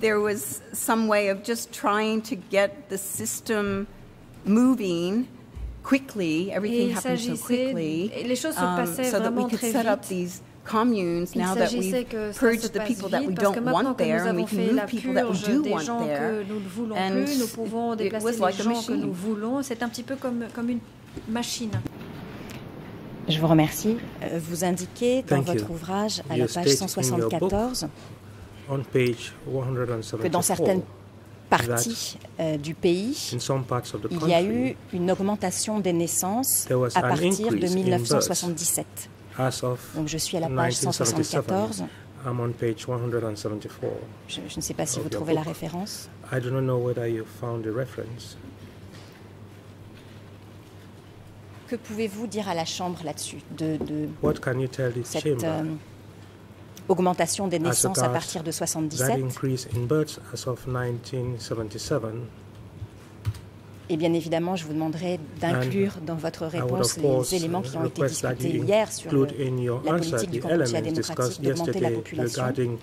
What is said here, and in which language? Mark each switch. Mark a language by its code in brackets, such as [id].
[en] there was some way of just trying to get the system moving quickly, everything happened so quickly, so that we could set up these communes now that we've purged the people that we don't want there and we can move people that we do want there. And it was like a machine. [fr] Nous voulons, c'est un petit peu comme une machine. Je vous remercie. Vous indiquez dans votre ouvrage à la page 174 [en] on page 174 [fr] que dans certaines parties du pays, il y a eu une augmentation des naissances à partir de 1977. Donc je suis à la page 174. [en] I'm on page 174. [fr] Je ne sais pas si vous trouvez la référence. [en] I don't know whether you found the reference. [fr] Que pouvez-vous dire à la chambre là-dessus de [en] what can you tell this [fr] cette [en] chamber [fr] augmentation des naissances à partir de 77? [en] That increase in births as of 1977. [fr] Et bien évidemment, je vous demanderai d'inclure dans votre réponse les éléments qui ont été discutés hier sur la politique du Cambodge démocratique d'augmenter la population.